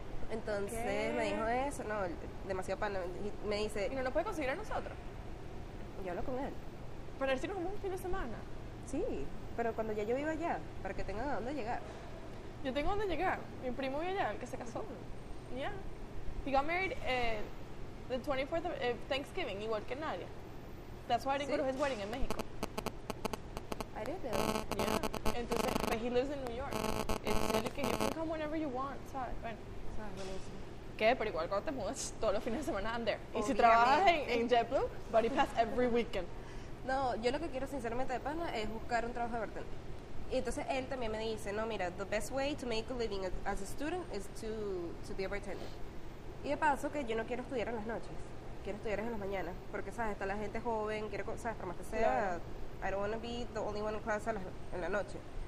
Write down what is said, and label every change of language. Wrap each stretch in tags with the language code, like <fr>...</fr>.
<es>Entonces ¿qué? Me dijo eso, no, demasiado pana. Me dice, ¿y no lo puede conseguir a nosotros? Yo hablo con él. ¿Para decirnos como un fin de semana? Sí, pero cuando ya yo viva allá, para que tenga a dónde llegar. Yo tengo a dónde llegar, mi primo vive allá, el que se casó.</es> <en>Yeah. He got married the 24th of Thanksgiving,</en> <es>igual que Nadia.</es> <en>That's why I didn't go to his wedding</en> <es>en México.</es> <en>I did though. Yeah,</en> <es>entonces,</es> <en>but he lives in New York. It's like, you can come whenever you want,</en> <es>¿sabes? Bueno. ¿Qué? Pero igual cuando te mudas, todos los fines de semana</es> <en>I'm there.</en> <es>Y si trabajas en JetBlue,</es> <en>buddy pass every weekend.</en> <es>No, yo lo que quiero sinceramente de pana es buscar un trabajo de bartender. Y entonces él también me dice, no, mira,</es> <en>the best way to make a living as a student is to be a bartender.</en> <es>Y de paso que yo no quiero estudiar en las noches, quiero estudiar en las mañanas, porque sabes, está la gente joven, quiero, sabes, por más que sea, claro.</es> <en>I don't want to be the only one in class</en> <es>en la noche.</es>